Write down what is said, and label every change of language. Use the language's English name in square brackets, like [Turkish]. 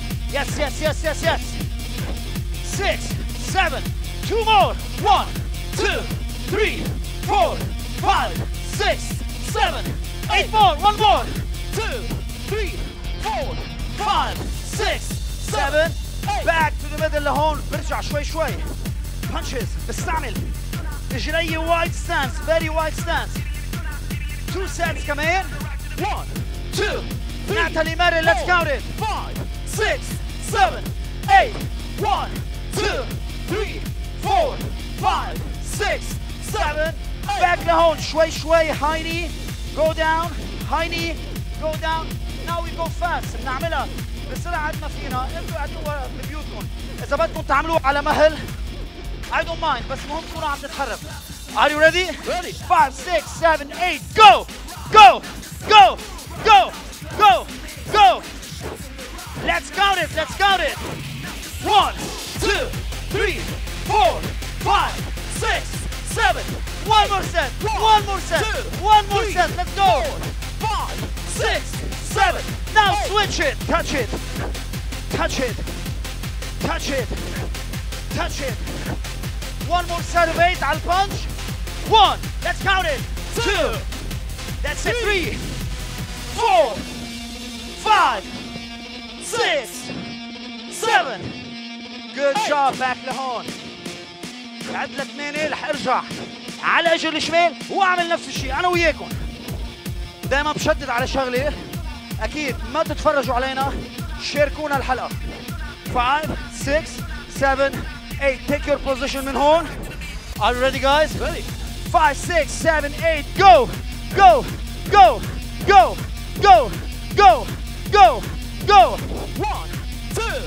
[English] Yes, yes, yes, yes, yes. 6, 7, 2 more. 1, 2, 3, 4, 5, 6, 7, 8 more. 1 more. 2, 3, 4, 5, 6, 7, 8. Back to the middle [Arabic] لهون. برجع شوي شوي. [English] Punches. [Arabic] بستعمل رجلي [English] wide stance. Very wide stance. 2 sets [Arabic] كمان. [English] 1, 2, 3, Natalie Murray, let's count it. 5, 6, 7, 8, 1, 2, 3, 4, 5, 6, 7, 8. Back [Arabic] لهون شوي شوي. [English] High knee, go down. High knee, go down. Now we go fast. [Arabic] بنعملها بالسرعة عندنا فينا، انتوا قعدوا ببيوتكم، إذا بدكم تعملوا على مهل، [English] I don't mind، [Arabic] بس المهم تكونوا عم تتحرك. [English] Are you ready? Ready. 5, 6, 7, 8, go! Go! Go! Go! Go! Go! Let's count it, let's count it! 1, 2, 3, 4, 5, 6, 7, one more set! One more set! One more set! Let's go! 5, 6, 7, now switch it! Touch it! Touch it! Touch it! Touch it! One more set of 8, I'll punch! 1, let's count it! 2, that's it! 3, 4, 5, 6, 7, good job, back [Arabic] لهون. بعد لثمانية رح ارجع على اجر الشمال واعمل نفس الشيء انا وياكم. دائما بشدد على شغلة، اكيد ما تتفرجوا علينا، شاركونا الحلقة. [English] 5, 6, 7, 8, take your position [Arabic] من هون. [English] Are you ready guys? Ready. 5, 6, 7, 8, go! Go! Go! Go! Go! Go! Go! Go! 1, 2,